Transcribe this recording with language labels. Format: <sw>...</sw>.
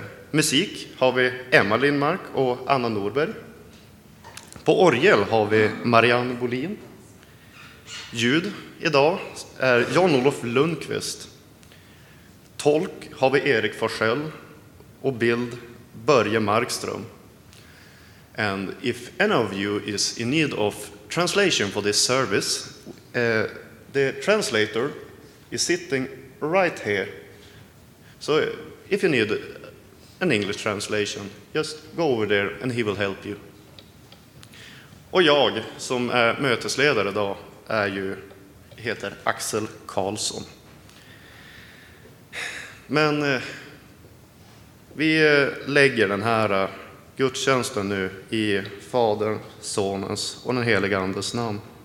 <sv>Musik har vi Emma Lindmark och Anna Norberg. På orgel har vi Marianne Bolin. Ljud idag är Jan-Olof Lundqvist. Tolk har vi Erik Forssell och bild Börje Markström.</sv> <en>And if any of you is in need of translation for this service, the translator is sitting right here. So if you need an English translation, just go over there and he will help you.</en> <sv>Och jag som är mötesledare idag är ju, heter Axel Karlsson. Men vi lägger den här gudstjänsten nu i Faderns, Sonens och den helige Andes namn.</sv>